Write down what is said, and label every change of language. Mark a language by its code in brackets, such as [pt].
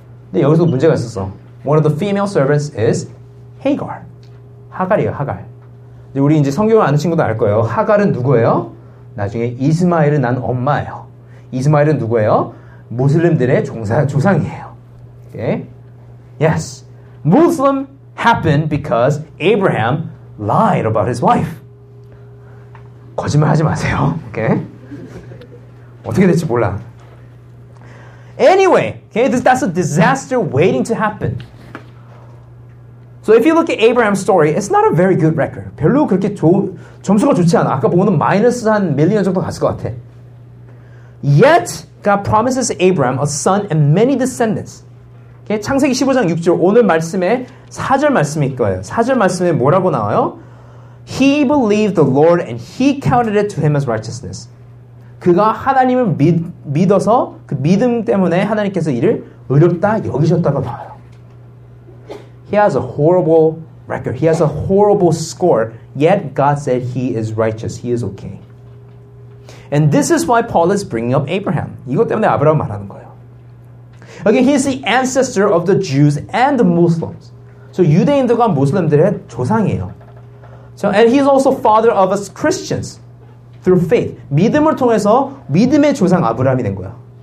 [ko] 근데 여기서 문제가 있었어. [en] One of the female servants is Hagar. [ko] 하갈이에요, 하갈. 근데 우리 이제 성경을 아는 친구도 알 거예요. 하갈은 누구예요? 나중에 이스마엘을 낳은 엄마예요. 이스마엘은 누구예요? 무슬림들의 조상이에요. 오케이? Yes. [en] Muslim happened because Abraham lied about his wife. [ko] 거짓말 하지 마세요. 오케이? 어떻게 될지 몰라. [en] Anyway, okay, that's a disaster waiting to happen. So if you look at Abraham's story, it's not a very good record. [ko] 별로 그렇게 점수가 좋지 않아. 아까 보면 마이너스 한 밀리언 정도 갔을 것 같아. [en] Yet, God promises Abraham a son and many descendants. [ko] Okay, 창세기 15장 6절, 오늘 말씀에 4절 말씀일 거예요. 4절 말씀에 뭐라고 나와요? [en] He believed the Lord and he counted it to him as righteousness. [ko] 그가 하나님을 믿어서 그 믿음 때문에 하나님께서 이를 의롭다 여기셨다고 봐요. [en] He has a horrible record. He has a horrible score. Yet God said he is righteous. He is okay. And this is why Paul is bringing up Abraham. [ko] 이것 때문에 아브라함 말하는 거예요. [en] Okay, he is the ancestor of the Jews and the Muslims. [ko] So 유대인들과 무슬림들의 조상이에요. [en] So, and he is also father of us Christians. Through faith. [ko] 믿음을 통해서 믿음의 조상 아브라함이 된 거야.